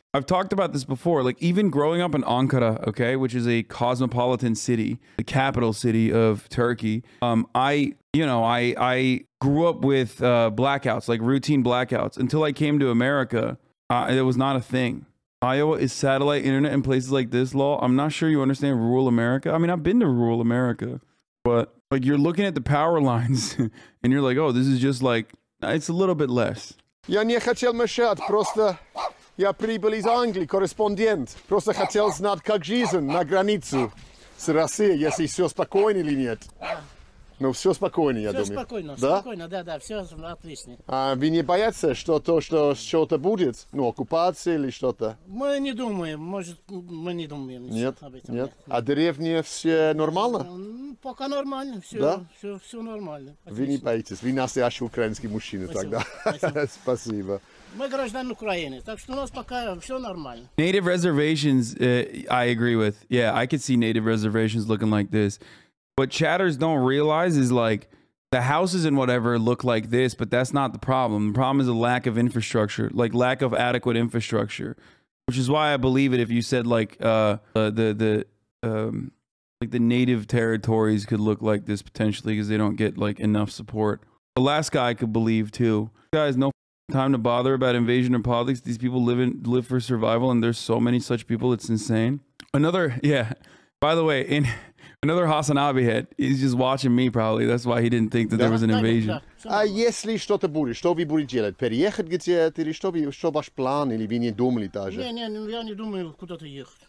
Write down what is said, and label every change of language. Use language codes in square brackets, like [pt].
[en] I've talked about this before. Like, even growing up in Ankara, okay, which is a cosmopolitan city, the capital city of Turkey, I grew up with blackouts, like routine blackouts, until I came to America. It was not a thing. Iowa is satellite internet in places like this, lol. I'm not sure you understand rural America. I mean, I've been to rural America, but, like, you're looking at the power lines and you're like, oh, this is just like, it's a little bit less. [ru] Я не хотел мешать, просто я прибыл из Англии, корреспондент. Просто хотел знать, как жизнь на границу с Россией, если все спокойно или нет. Ну, все спокойно, я думаю. Все спокойно, да? Спокойно, да-да, все отлично. А вы не боятся, что то, что что-то будет? Ну, оккупация или что-то? Мы не думаем, может, мы не думаем нет, об этом. Нет, нет. А деревня все нормально? Ну, пока нормально, все, да? все нормально. Отлично. Вы не боитесь, вы настоящий украинский мужчина. Спасибо. Тогда. Спасибо. Мы граждане Украины, так что у нас пока все нормально. [en] Native reservations, I agree with. Yeah, I could see native reservations looking like this. What chatters don't realize is, like, the houses and whatever look like this, but that's not the problem. The problem is a lack of infrastructure, like, lack of adequate infrastructure, which is why I believe it if you said, like, the native territories could look like this potentially because they don't get, like, enough support. Alaska, I could believe, too. Guys, no time to bother about invasion or politics. These people live for survival, and there's so many such people, it's insane. Another, yeah, by the way, in... Another HasanAbi hit. He's just watching me, probably. That's why he didn't think that there was an invasion. [ru] Если что-то будет, что вы будете делать? Переехать где-то или что? Что ваш план? Или вы не думали даже? Не, я не думаю куда-то ехать.